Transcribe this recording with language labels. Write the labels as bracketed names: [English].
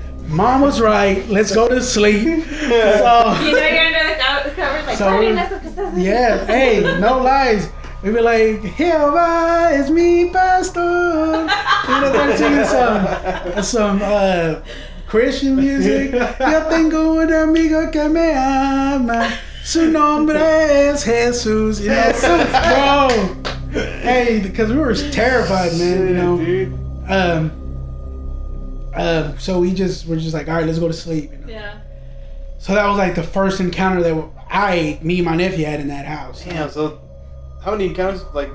[English] Mom was right. Let's go to sleep. Yeah. So, you know you're under the covers like, so, mess up this. Yeah, hey, no lies. We'd be like, here I is me, pastor. You know, they're singing some Christian music. [Spanish] Yo tengo un amigo que me ama. Su nombre es Jesus. [English] You know, so, bro. Hey, because we were terrified, man. Shit, you know, dude. So we're just like, all right, let's go to sleep. You know? Yeah. So that was like the first encounter that me and my nephew had in that house. Damn. So how many encounters? Like,